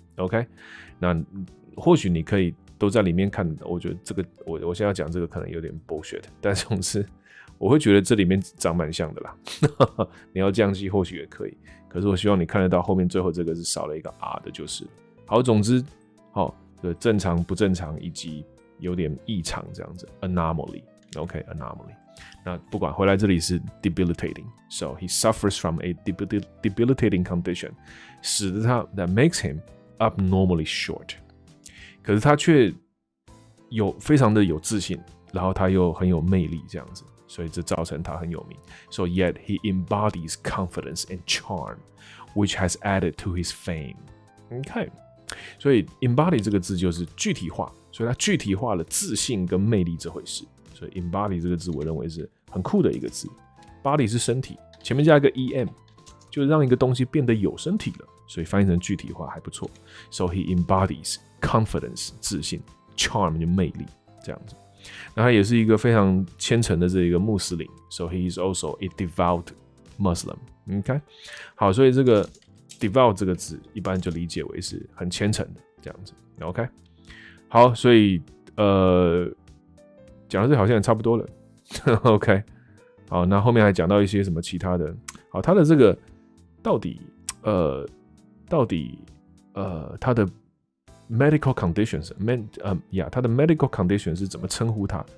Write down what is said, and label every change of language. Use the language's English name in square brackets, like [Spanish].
[Chinese] OK， 那或许你可以。都在里面看，我觉得这个我现在讲这个可能有点 bullshit， 但总之我会觉得这里面长蛮像的啦。你要降级或许也可以，可是我希望你看得到后面最后这个是少了一个 R 的，就是好。总之，好、哦，正常不正常以及有点异常这样子 ，anomaly，OK，anomaly、okay, anomaly。那不管回来这里是 [English] debilitating，so he suffers from a debilitating condition， [Chinese] 使得他 [English] that makes him abnormally short。 [Chinese] 可是他却有非常的有自信，然后他又很有魅力，这样子，所以这造成他很有名。 [English] So yet he embodies confidence and charm, which has added to his fame. [Chinese] OK， 所以 embody 这个字就是具体化，所以他具体化了自信跟魅力这回事。所以 embody 这个字，我认为是很酷的一个字。Body 是身体，前面加一个 em， 就让一个东西变得有身体了。所以翻译成具体化还不错。 [English] So he embodies confidence， [Chinese] 自信 [English] ；charm [Chinese] 就魅力，这样子。那他也是一个非常虔诚的这一个穆斯林。 [English] So he is also a devout Muslim。 [Chinese] OK， 好，所以这个 devout 这个字一般就理解为是很虔诚的这样子。 OK， 好，所以讲到这好像也差不多了。 OK， 好，那后面还讲到一些什么其他的。好，他的这个到底他的 medical conditions， 他的 medical conditions 是怎么称呼他？